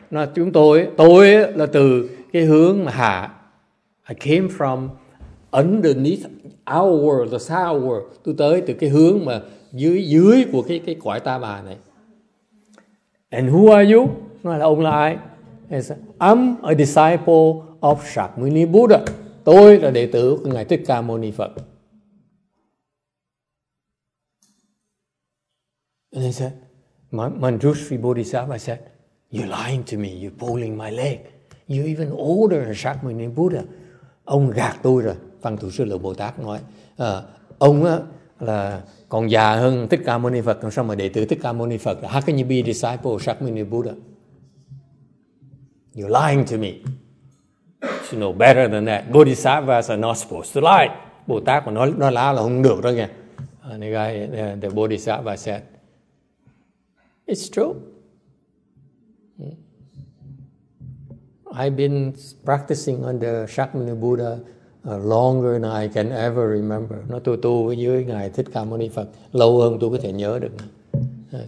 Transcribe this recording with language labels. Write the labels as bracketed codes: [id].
[vi] Nói, chúng tôi là từ cái hướng mà hạ. [en] I came from underneath our world, the sour world. [vi] Tôi tới từ cái hướng mà dưới của cái quả ta bà này. And who are you? Nói là, ông là ai? [en] He said, I'm a disciple of Shakyamuni Buddha. [vi] Tôi là đệ tử của Ngài Thích Ca Mâu Ni Phật. [en] And he said, Manjushri Bodhisattva said, you're lying to me, you're pulling my leg. You're even older than Shakyamuni Buddha. Ông gạt tôi rồi. [vi] Văn Thủ Sư Lợi Bồ Tát nói, ông á, là còn già hơn Thích Ca Mâu Ni Phật, còn sao mà đệ tử Thích Ca Mâu Ni Phật? [en] How can you be a disciple of Shakyamuni Buddha? You're lying to me. You know better than that. Bodhisattvas are not supposed to lie. [vi] Bồ Tát mà nói láo là không được đó nghe. [en] And the guy, the Bodhisattva said, it's true. I've been practicing under Shakyamuni Buddha longer than I can ever remember. [vi] Nó tu tu với Ngài Thích Ca Mâu Ni Phật lâu hơn tôi có thể nhớ được.